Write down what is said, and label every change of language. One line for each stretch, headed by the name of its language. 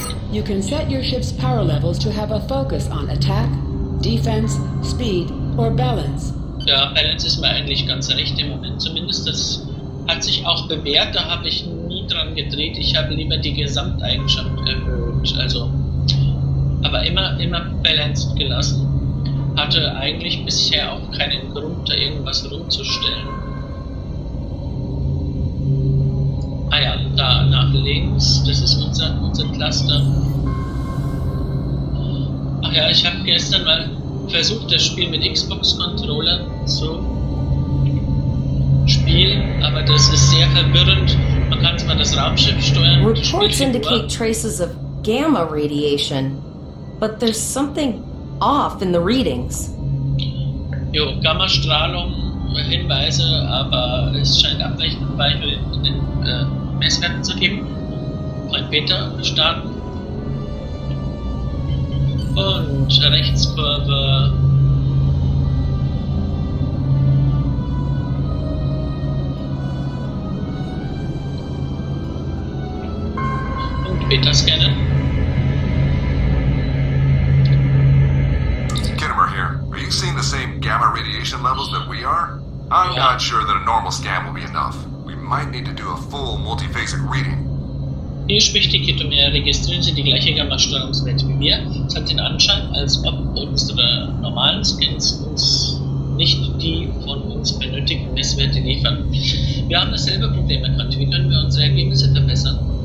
English: You can set your ship's power levels to have a focus on attack, defense, speed or balance.
German: Ja, Balance ist mir eigentlich ganz recht im Moment. Zumindest das hat sich auch bewährt. Da habe ich nie dran gedreht. Ich habe lieber die Gesamteigenschaft erhöht. Also aber immer balanced gelassen. Hatte eigentlich bisher auch keinen Grund, da irgendwas rumzustellen. Ah ja, da nach links, das ist unser Cluster. Ach ja, ich habe gestern mal versucht, das Spiel mit Xbox-Controller zu Spiel, aber das ist sehr verwirrend. Man kann zwar das Raumschiff steuern.
English: Reports indicate traces of gamma radiation, but there's something off in the readings.
German: Jo, Gamma-Strahlung, Hinweise, aber es scheint Abweichungen in den Messwerten zu geben. Mein Beta starten. Und Rechtskurve. Beta scannen.
English: Kittimer here. Are you seeing the same gamma radiation levels that we are? I'm not sure that a normal scan will be enough. We might need to do a full multiphasic reading.
German: Hier spricht die Kittimer. Registrieren Sie die gleiche Gamma-Strahlungswerte wie wir? Es hat den Anschein, als ob unsere normalen Scans uns nicht die von uns benötigten Messwerte liefern. Wir haben dasselbe Problem erkannt. Wie können wir unsere Ergebnisse verbessern?